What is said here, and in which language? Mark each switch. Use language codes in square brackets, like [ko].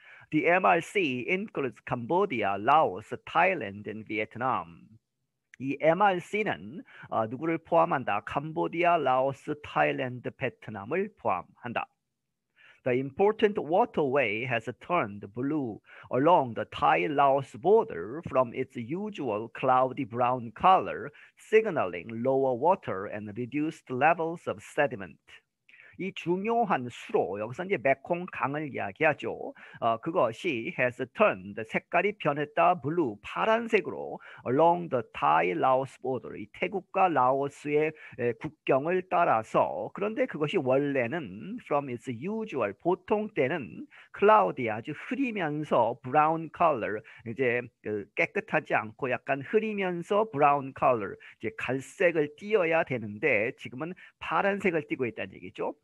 [en] The MRC includes Cambodia, Laos, Thailand, and Vietnam. [ko] 이 MRC는 누구를 포함한다? 캄보디아, 라오스, 타일랜드, 베트남을 포함한다. [en] The important waterway has turned blue along the Thai-Laos border from its usual cloudy brown color, signaling lower water and reduced levels of sediment. [ko] 이 중요한 수로 여기서 이제 메콩 강을 이야기하죠. 그것이 [en] has turned [ko] 색깔이 변했다. [en] blue [ko] 파란색으로 [en] along the Thai Laos border [ko] 이 태국과 라오스의 국경을 따라서 그런데 그것이 원래는 [en] from its usual [ko] 보통 때는 [en] cloudy [ko] 아주 흐리면서 [en] brown color [ko] 이제 깨끗하지 않고 약간 흐리면서 brown color 이제 갈색을 띠어야 되는데 지금은 파란색을 띠고 있다는 얘기죠.